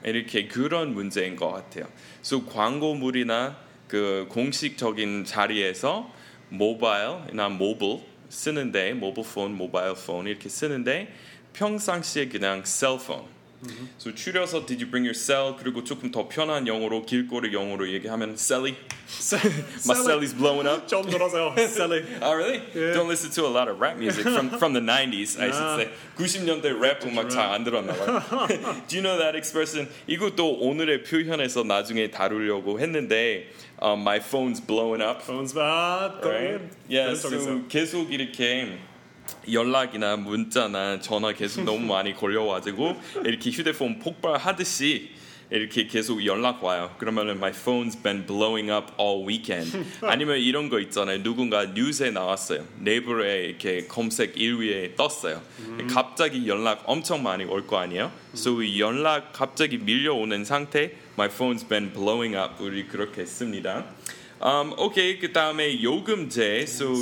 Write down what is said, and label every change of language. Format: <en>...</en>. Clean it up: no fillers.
<ko>이렇게 그런 문제인 것 같아요. So 광고물이나 그 공식적인 자리에서 모바일이나 모블 쓰는데 모바일 폰, 모바일 폰 이렇게 쓰는데 평상시에 그냥 셀폰.</ko> <en>Mm-hmm. So</en> <ko>줄여서</ko> <en>did you bring your cell?</en> <ko>그리고 조금 더 편한 영어로 길거리 영어로 얘기하면 Sally.</ko> <en>My Sally's blowing up.</en> <ko>좀 들어서요, Sally.</ko> <en>Oh really? Yeah. Don't listen to a lot of rap music from the 90s. I should say</en> <ko>90년대 랩 음악 잘 안 들었나 봐요.</ko> <en>Do you know that expression?</en> <ko>이것도 오늘의 표현에서 나중에 다루려고 했는데</ko> <en>my phone's blowing up. Phone's bad. Right? Yeah.</en> <ko>So 계속 이렇게 연락이나 문자나 전화 계속 너무 많이 걸려와가지고 이렇게 휴대폰 폭발하듯이 이렇게 계속 연락 와요.</ko> <en>그러면 my phone's been blowing up all weekend.</en> <ko>아니면 이런 거 있잖아요. 누군가 뉴스에 나왔어요. 네이버에 이렇게 검색 1위에 떴어요. 갑자기 연락 엄청 많이 올 거 아니에요? So 연락 갑자기 밀려오는 상태</ko> <en>my phone's been blowing up.</en> <ko>우리 그렇게 씁니다. Okay, 그 다음에 요금제. So,</ko>